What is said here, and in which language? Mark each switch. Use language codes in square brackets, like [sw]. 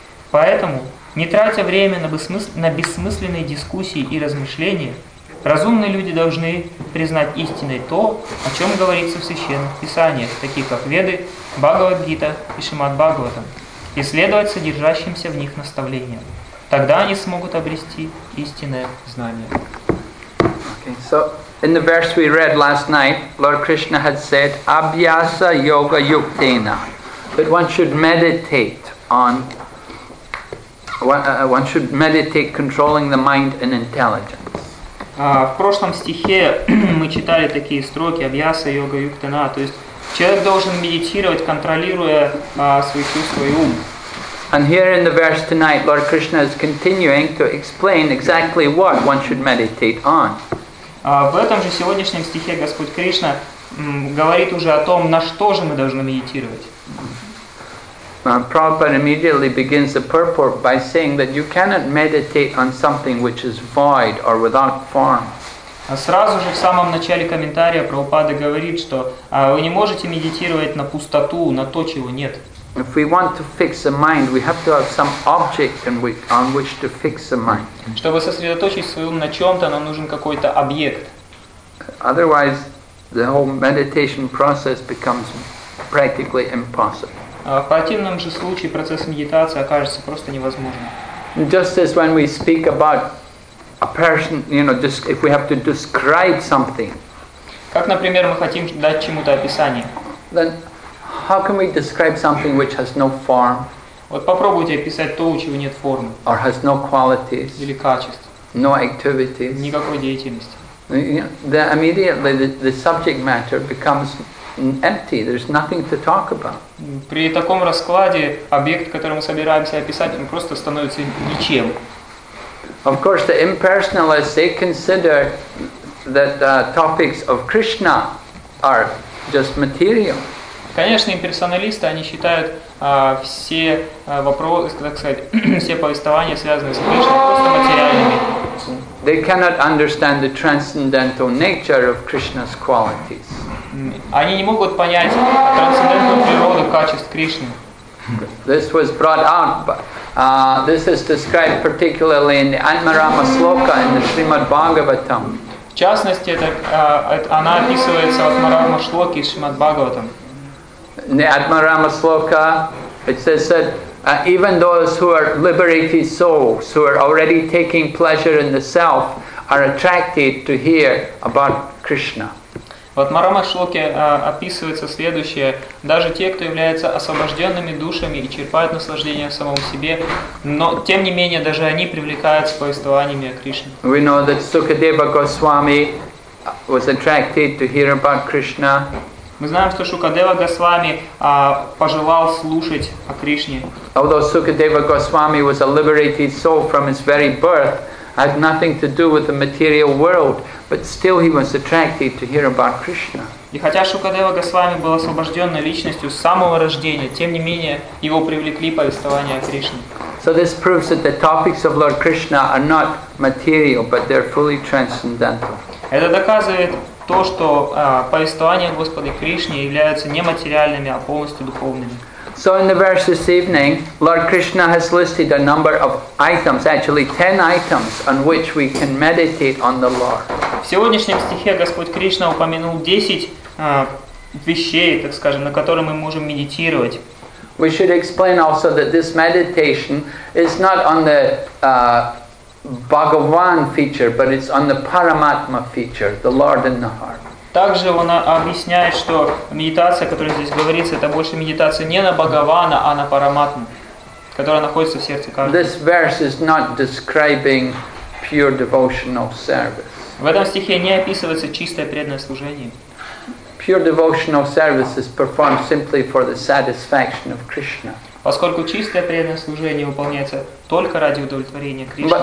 [ru] Поэтому, не тратя время на бессмысленные дискуссии и размышления, разумные люди должны признать истиной то, о чем говорится в священных писаниях, таких как Веды, Бхагавад-гита и Шримад-Бхагаватам, и следовать содержащимся в них наставлениям. Тогда они смогут обрести истинное знание. [en] Okay, so in the verse we read last night, Lord Krishna had said, [sa] "Abhyasa yoga yuktena," [en] that one should meditate controlling the mind and intelligence. [ru] В прошлом стихе мы читали такие строки [sa] «Абьяса, йога, юктена». [ru] То есть человек должен медитировать, контролируя свои чувства и ум. [en] And here in the verse tonight, Lord Krishna is continuing to explain exactly what one should meditate on. [ru] В этом же сегодняшнем стихе Господь Кришна говорит уже о том, на что же мы должны медитировать. [en] Prabhupada immediately begins the purport by saying that you cannot meditate on something which is void or without form. [ru] Сразу же в самом начале комментария Прабхупада говорит, что вы не можете медитировать на пустоту, на то, чего нет. [en] If we want to fix the mind, we have to have some object on which to fix the mind. [ru] Чтобы сосредоточить свой ум на чем-то, нам нужен какой-то объект. [en] Otherwise, the whole meditation process becomes practically impossible. [ru] В противном же случае процесс медитации окажется просто невозможным. [en] Just as when we speak about a person, you know, just if we have to describe something. [ru] Как, например, мы хотим дать чему-то описание. [en] Then how can we describe something which has no form? [ru] Вот попробуйте описать то, у чего нет формы. [en] Or has no qualities. [ru] Или качеств. [en] No activities. [ru] Никакой деятельности. [en] Then immediately the subject matter becomes empty. There's nothing to talk about. [ru] При таком раскладе объект, который мы собираемся описать, он просто становится ничем. [en] Of course, the impersonalists, they consider that topics of Krishna are just material. [ru] Конечно, имперсоналисты, они считают все вопросы, так сказать, все повествования, связанные с Кришной, просто материальными. [en] They cannot understand the transcendental nature of Krishna's qualities. [ru] Они не могут понять трансцендентную природу качеств Кришны. [en] This was brought out, this is described particularly in the Atmarama Sloka in the Srimad Bhagavatam. [ru] В частности, она описывается в Атмарама Шлоке и Шримад Бхагаватам. [en] In the Atmarama Sloka, it says that even those who are liberated souls, who are already taking pleasure in the self, are attracted to hear about Krishna. [ru] Вот в Марамашлоке описывается следующее. Даже те, кто являются освобожденными душами и черпают наслаждение в самом себе, но тем не менее даже они привлекаются повествованиями о Кришне. [en] We know that Sukadeva Goswami was attracted to hear about Krishna. [ru] Мы знаем, что Шукадева Госвами пожелал слушать о Кришне. [en] Although Sukadeva Goswami was a liberated soul from his very birth, had nothing to do with the material world, but still he was attracted to hear about Krishna. [ru] И хотя Шукадева Госвами был освобожденной личностью с самого рождения, тем не менее его привлекли повествования о Кришне. [en] So this proves that the topics of Lord Krishna are not material, but they're fully transcendental. [ru] Это доказывает то, что повествования Господа Кришне являются не материальными, а полностью духовными. [en] So in the verse this evening, Lord Krishna has listed a number of items, actually 10 items, on which we can meditate on the Lord. [ru] В сегодняшнем стихе Господь Кришна упомянул 10 вещей, так скажем, на которые мы можем медитировать. [en] We should explain also that this meditation is not on the Bhagavan feature, but it's on the Paramatma feature, the Lord in the heart. [ru] Также он объясняет, что медитация, о которой здесь говорится, это больше медитация не на Бхагавана, а на Параматму, которая находится в сердце каждого. [en] This verse is not describing pure devotional service. [ru] В этом стихе не описывается чистое преданное служение. [en] Pure devotional service is performed simply for the satisfaction of Krishna. [ru] Поскольку чистое преданное служение выполняется только ради удовлетворения Кришны.